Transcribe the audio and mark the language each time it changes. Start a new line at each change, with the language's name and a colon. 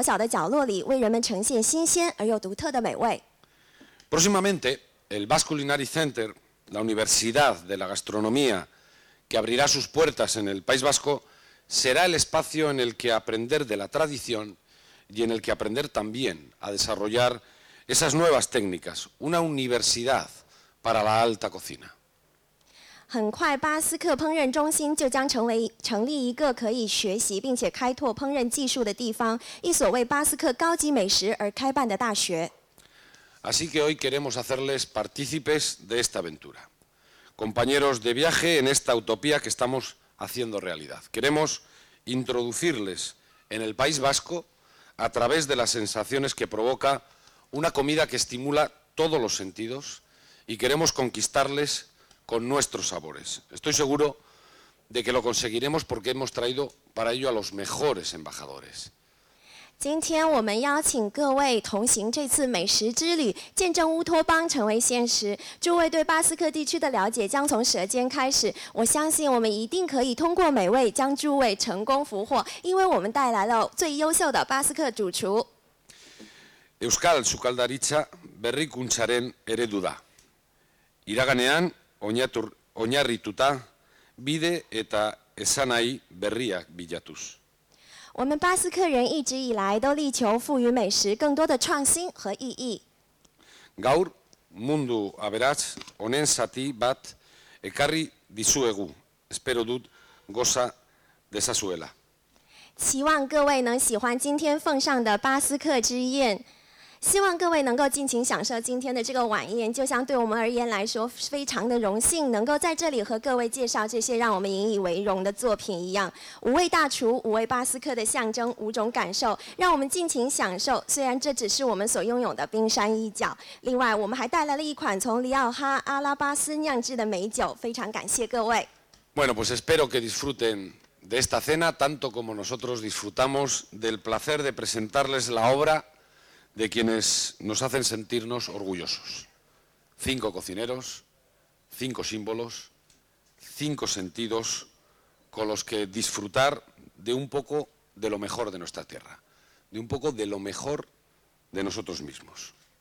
Chinese: 我们巴斯克地区在烹饪方面同样颇有历史渊源。我们选取高质量的原材料，结合新兴的烹饪技术和风格，从世界一个小小的角落里为人们呈现新鲜而又独特的美味。
Spanish: Próximamente, el Basque Culinary Center, la Universidad de la Gastronomía, que abrirá sus puertas en el País Vasco, será el espacio en el que aprender de la tradición y en el que aprender también a desarrollar esas nuevas técnicas, una universidad para la alta cocina.
Chinese: 很快，巴斯克烹饪中心就将成立一个可以学习并且开拓烹饪技术的地方，一所为巴斯克高级美食而开办的大学。
Spanish: Así que hoy queremos hacerles partícipes de esta aventura, compañeros de viaje en esta utopía que estamos haciendo realidad. Queremos introducirles en el País Vasco a través de las sensaciones que provoca una comida que estimula todos los sentidos y queremos conquistarles con nuestros sabores. Estoy seguro de que lo conseguiremos porque hemos traído para ello a los mejores embajadores.
Chinese: 今天我们邀请各位同行这次美食之旅，见证乌托邦成为现实。诸位对巴斯克地区的了解将从舌尖开始，我相信我们一定可以通过美味将诸位成功俘获，因为我们带来了最优秀的巴斯克主厨。
Basque: Euskal sukaldaritza berrikuntzaren eredu da. Iraganean oinarrituta bide eta esanahi berriak bilatuz.
Chinese: 我们巴斯克人一直以来都力求赋予美食更多的创新和意义。
Basque: Gaur mundu aberats honen zati bat ekarri dizuegu. Espero dut goza dezazuela.
Chinese: 希望各位能喜欢今天奉上的巴斯克之宴。希望各位能够尽情享受今天的这个晚宴，就像对我们而言来说非常的荣幸能够在这里和各位介绍这些让我们引以为荣的作品一样。五位大厨，五位巴斯克的象征，五种感受，让我们尽情享受。虽然这只是我们所拥有的冰山一角，另外我们还带来了一款从里奥哈阿拉巴斯酿制的美酒，非常感谢各位。
Spanish: Bueno, pues espero que disfruten de esta cena tanto como nosotros disfrutamos del placer de presentarles la obrade quienes nos hacen sentirnos orgullosos. Cinco cocineros, cinco símbolos, cinco sentidos con los que disfrutar de un poco de lo mejor de nuestra tierra, de un poco de lo mejor de nosotros mismos.